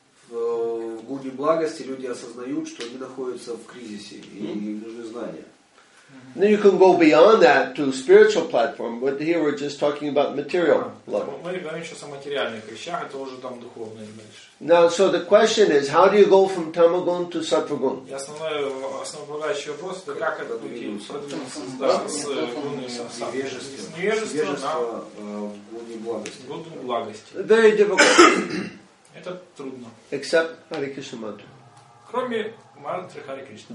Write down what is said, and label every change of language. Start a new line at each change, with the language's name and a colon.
Russian: В гуне благости люди осознают, что они находятся в кризисе и нужны знания.
English: Then you can go beyond that to spiritual platform, but here we're just talking about material level.
Russian: Мы говорим сейчас о материальных вещах, это уже там духовное дальше.
English: Now, so the question is, how do you go from tamagun to sattvagun?
Russian: И основополагающий вопрос, это как это двигаться с гуны благости.
English: Very difficult. Except Hare Krishna mantra.
Russian: Кроме мантры Hare Krishna.